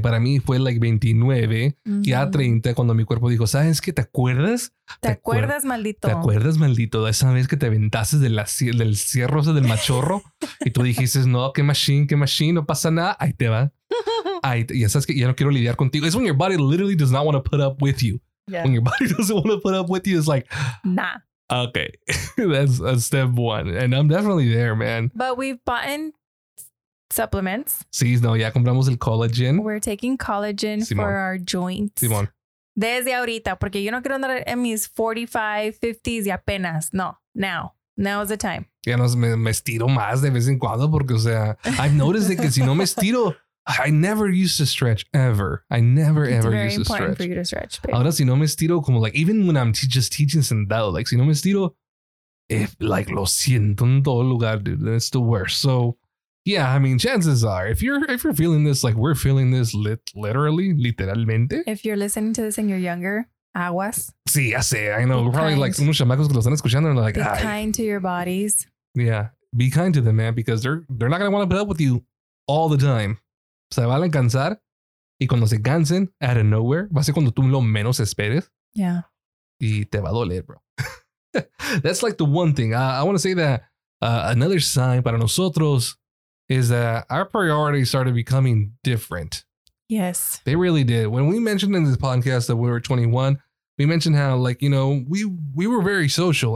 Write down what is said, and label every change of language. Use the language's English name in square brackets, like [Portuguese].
[Spanish] Para mí fue like 29 y a 30 cuando mi cuerpo dijo, ¿sabes qué? ¿Te acuerdas? ¿Te acuerdas, maldito? ¿Te acuerdas, maldito? De esa vez que te aventaste del cierro, del machorro. Y tú dijiste, no, qué machine, no pasa nada. Ahí te va. Ahí te, ya sabes que ya no quiero lidiar contigo. [English] It's when your body literally does not want to put up with you. Yeah. When your body doesn't want to put up with you, it's like, nah. Okay. That's a step one. And I'm definitely there, man. But we've bought in supplements. [Spanish] Sí, no, ya compramos el collagen. [English] We're taking collagen, Simón, for our joints. [Spanish] Simón. Desde ahorita, porque yo no quiero andar en mis 45, 50s y apenas. [English] No, now. Now is the time. [Spanish] Ya no, me estiro más de vez en cuando porque, o sea, [English] I've noticed that [Spanish] que si no me estiro, [English] I never used to stretch, ever. I never, it's ever used to It's very important for you to stretch, babe. [Spanish] Ahora, si no me estiro, como, [English] like, even when I'm just teaching [Spanish] sentado, like, si no me estiro, if, like, lo siento en todo lugar, [English] dude, then it's the worst. So, yeah, I mean, chances are, if you're feeling this, like we're feeling this literally. If you're listening to this and you're younger, aguas. [Spanish] Sí, ya sé. [English] I know. Be probably kind. Like some [Spanish] chamacos que lo están escuchando [English] and like, be kind to your bodies. Yeah. Be kind to them, man, because they're not going to want to put up with you all the time. [Spanish] Se van a cansar. Y cuando se cansen, [English] out of nowhere, [Spanish] va a ser cuando tú lo menos esperes. [English] Yeah. [Spanish] Y te va a doler, bro. [English] That's like the one thing. I want to say that another sign [Spanish] para nosotros [English] is that our priorities started becoming different. Yes. They really did. When we mentioned in this podcast that we were 21, we mentioned how, like, you know, we were very social.